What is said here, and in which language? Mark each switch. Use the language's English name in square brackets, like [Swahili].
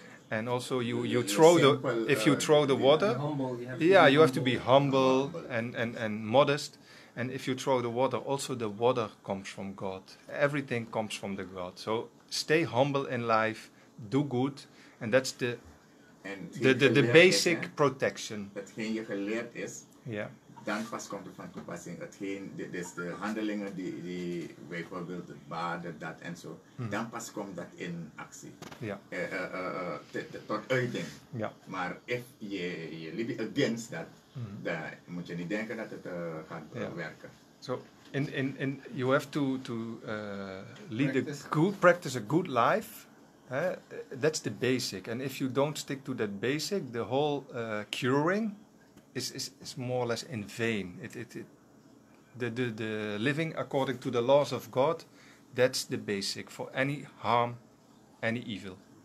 [English] And also you have to be humble and modest. And if you throw the water, also the water comes from God. Everything comes from the God. So stay humble in life, do good, and that's the basic protection. [Dutch] Hetgeen je geleerd is, [English] yeah. [Dutch] Dan pas komt het van toepassing. Hetgeen, dit is de handelingen die bijvoorbeeld baden, dat en zo. Dan pas komt dat in actie. Ja. Tot uiting. Ja. Maar [English] if [Dutch] je [English] live against [Dutch] dat, dan moet je niet denken dat het gaat werken. [English] So, in you have to lead practice a good life. That's the basic. And if you don't stick to that basic, the whole curing is more or less in vain. The living according to the laws of God, that's the basic for any harm, any evil.